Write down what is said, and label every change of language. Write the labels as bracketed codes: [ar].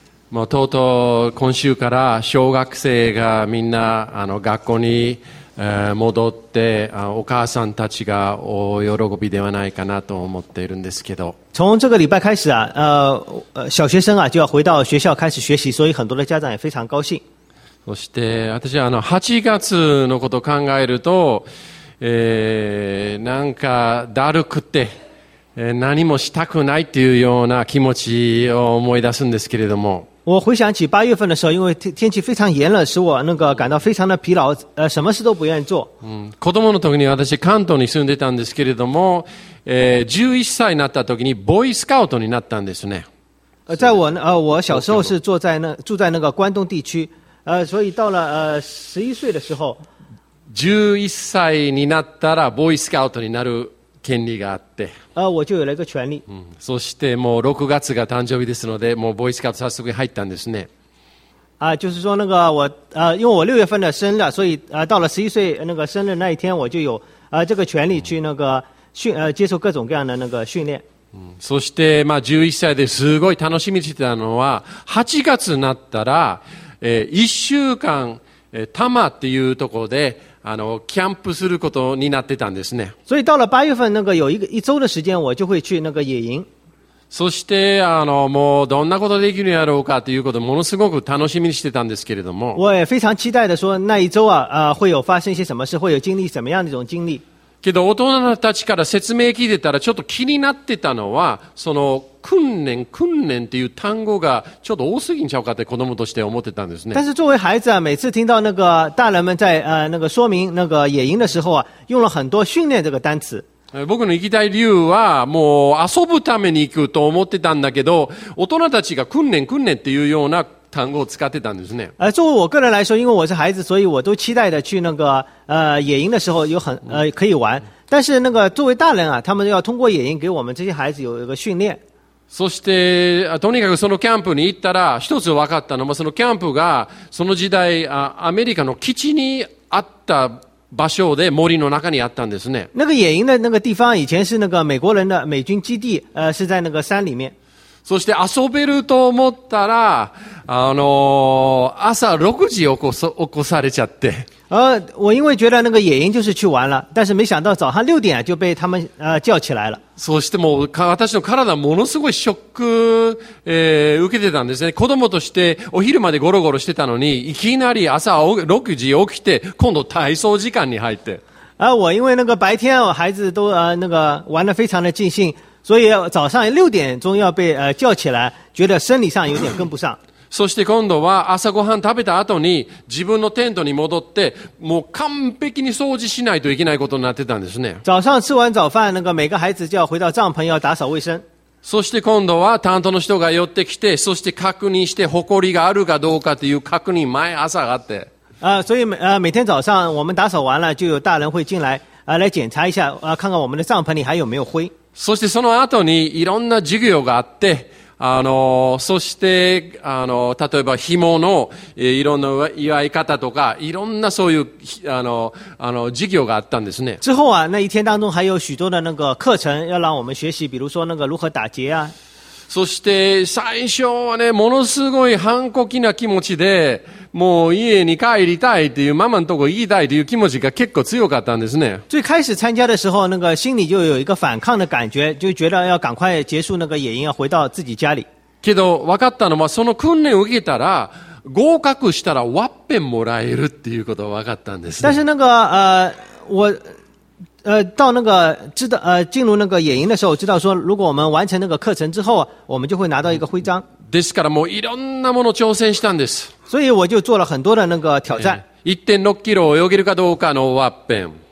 [ja] もうとうとう今週から小学生がみんな学校に戻ってお母さんたちが大喜びではないかなと思っているんですけど。 [zh] 从这个礼拜开始啊，小学生啊就要回到学校开始学习，所以很多的家长也非常高兴。 [ja] そして私は8月のことを考えると、なんかだるくて何もしたくないというような気持ちを思い出すんですけれども。 [zh] 我回想起八月份的时候，因为天气非常炎冷，使我那个感到非常的疲劳，什么事都不愿意做。 [ja] 子供の時に私関東に住んでたんですけれども、11歳になった時にボーイスカウトになったんですね。 [zh] 在我我小时候是住在那个关东地区，所以到了11岁的时候， [ja] 11歳になったらボーイスカウトになる。権利があって、 [zh] 我就有了一个权利。 [ja] そしてもう6月が誕生日ですので、もうボーイスカウト早速入ったんですね。 [zh] 啊，就是说那个我，因为我六月份的生日，所以到了十一岁那个生日那一天，我就有这个权利去那个训，接受各种各样的那个训练。 [ja] そしてまあ11歳ですごい楽しみにしてたのは、8月になったら、1週間、多摩っていうところで。キャンプすることになってたんですね。 [zh] 所以到了八月份，那个有一周的时间，我就会去那个野营。 [ja] そしてもうどんなことできるやろうかということものすごく楽しみにしてたんですけれども。 [zh] 我也非常期待的说，那一周啊，会有发生一些什么事，会有经历什么样的一种经历。 [ja] けど大人たちから説明聞いてたらちょっと気になってたのはその訓練っていう単語がちょっと多すぎんちゃうかって子供として思ってたんですね。 [zh] 但是作为孩子啊，每次听到那个大人们在那个说明那个野营的时候啊，用了很多训练这个单词。 [ja] 僕の行きたい理由はもう遊ぶために行くと思ってたんだけど、大人たちが訓練っていうような単語を使ってたんですね。 [zh] 作为我个人来说，因为我是孩子，所以我都期待的去那个野营的时候有很可以玩。但是那个作为大人啊，他们要通过野营给我们这些孩子有一个训练。 [ja] そしてとにかくそのキャンプに行ったら一つ分かったのはそのキャンプがその時代アメリカの基地にあった場所で森の中にあったんですね。 [zh] 那个野营的那个地方以前是那个美国人的美军基地，是在那个山里面。 [ja] そして遊べると思ったら朝6時起こされちゃって。 [zh] 我因为觉得那个野营就是去玩了，但是没想到早上6点就被他们叫起来了。 [ja] そしてもう私の体ものすごいショック、受けてたんですね。子供としてお昼までゴロゴロしてたのに、いきなり朝6時起きて今度体操時間に入って。 [zh] 我因为那个白天孩子都那个玩得非常的尽兴。所以早上六点钟要被叫起来，觉得生理上有点跟不上。 [ja] そして今度は朝ごはん食べた後に自分のテントに戻って、もう完璧に掃除しないといけないことになってたんですね。 [zh] 早上吃完早饭，那个每个孩子就要回到帐篷要打扫卫生。 [ja] そして今度は担当の人が寄ってきて、そして確認して埃があるかどうかという確認毎朝があって。 [zh] 所以每天早上我们打扫完了，就有大人会进来来检查一下看看我们的帐篷里还有没有灰。 [ja] そしてその後にいろんな授業があって、そして、例えば紐の、いろんな祝い方とか、いろんなそういう、授業があったんですね。 [zh] 之後は、那一天当中还有许多的那个课程要让我们学习、比如说那个如何打结啊。 [ja] そして、最初はね、ものすごい反抗期な気持ちで、もう家に帰りたいっていうママのとこ行きたいっていう気持ちが結構強かったんですね。 [zh] 最开始参加的时候，那个心里就有一个反抗的感觉，就觉得要赶快结束那个野营，要回到自己家里。 [ja] けど分かったのはその訓練を受けたら合格したらワッペンもらえるっていうことが分かったんですね。 [zh] 但是那个我到那个知道进入那个野营的时候，知道说如果我们完成那个课程之后，我们就会拿到一个徽章。 [ja] ですからもういろんなものを挑戦したんです。 [zh] 所以我就做了很多的那个挑战。 [ja] 1.6 キロ泳げるかどうかのワッペン。